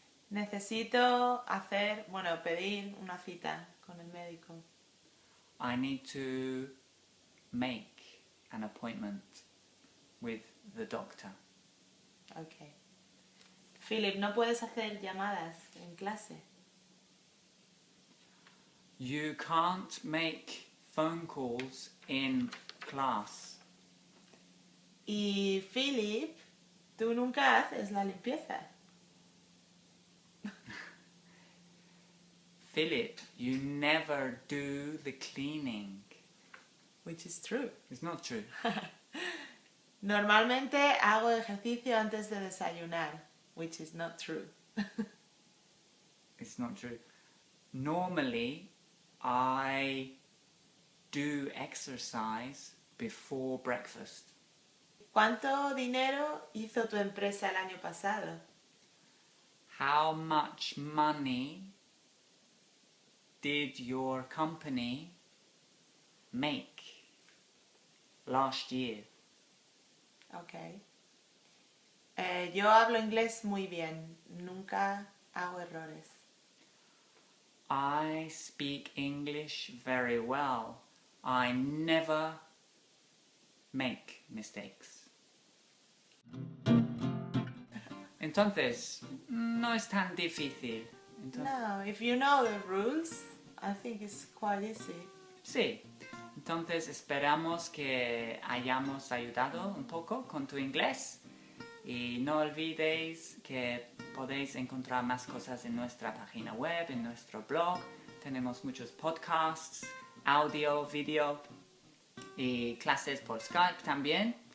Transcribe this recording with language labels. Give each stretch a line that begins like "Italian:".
Spanish: Necesito hacer, bueno, pedir una cita con el médico.
English: I need to make an appointment with the doctor.
Spanish: Okay. Philip, ¿no puedes hacer llamadas en clase?
English: You can't make phone calls in class.
Spanish: Y Philip, tú nunca haces la limpieza.
English: Philip, you never do the cleaning. Which is true. It's not true.
Spanish: Normalmente hago ejercicio antes de desayunar,
English: which is not true. It's not true. Normally, I do exercise before breakfast.
Spanish: ¿Cuánto dinero hizo tu empresa el año pasado?
English: How much money did your company make last year?
Spanish: Okay. Yo hablo inglés muy bien. Nunca hago errores.
English: I speak English very well. I never make mistakes.
Spanish: Entonces, no es tan difícil.
English: No, if you know the rules, I think it's quite easy.
Spanish: Sí. Entonces esperamos que hayamos ayudado un poco con tu inglés. Y no olvidéis que podéis encontrar más cosas en nuestra página web, en nuestro blog. Tenemos muchos podcasts, audio, video y clases por Skype también.